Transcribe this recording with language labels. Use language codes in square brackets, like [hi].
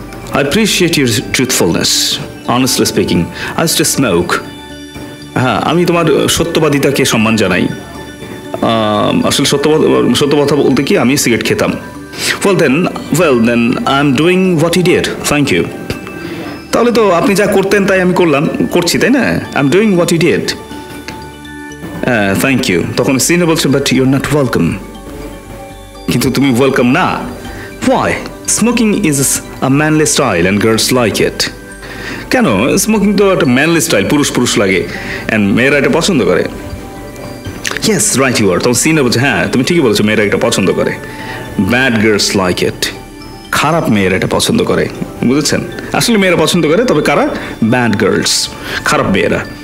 [en] I appreciate your truthfulness honestly speaking I just smoke [bn] হ্যাঁ আমি তোমার সত্যবাদিতাকে সম্মান জানাই আসলে সত্য কথা বলতে কি আমি সিগারেট খেতাম [en] Well then, I am doing what he did. Thank you. [bn] তাহলে তো আপনি যা করতেন তাই আমি করলাম করছি তাই না [en] I am doing what he did. Thank you. [bn] তখন সিনিয়র বলছে [en] but you're not welcome. [bn] কিন্তু তুমি welcome না. [en] Why? Smoking is a manly style and girls like it. [bn] কেন? Smoking তো একটা manly style. পুরুষ লাগে. [en] And [bn] মেয়েরা এটা পছন্দ করে. [en] Yes, right you are. [bn] তখন সিনিয়র বলছে হ্যাঁ তুমি ঠিকই বলছো মেয়েরা এটা পছন্দ করে. [en] Bad girls like it. [bn] খারাপ মেয়েরা এটা পছন্দ করে বুঝেছেন? আসলে মেয়েরা পছন্দ করে, তবে কারা? ব্যাড গার্লস, খারাপ মেয়েরা।